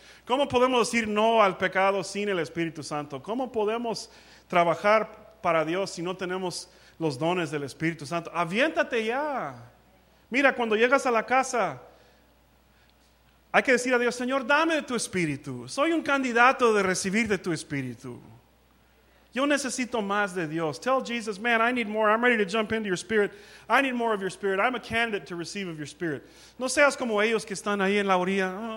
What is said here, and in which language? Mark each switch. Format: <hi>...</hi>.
<es>¿Cómo podemos decir no al pecado sin el Espíritu Santo? ¿Cómo podemos trabajar para Dios si no tenemos los dones del Espíritu Santo? ¡Aviéntate ya! Mira, cuando llegas a la casa, hay que decir a Dios, Señor, dame de tu Espíritu. Soy un candidato de recibir de tu Espíritu. Yo necesito más de Dios.</es> <en>Tell Jesus, man, I need more. I'm ready to jump into your Spirit. I need more of your Spirit. I'm a candidate to receive of your Spirit.</en> <es>No seas como ellos que están ahí en la orilla.</es>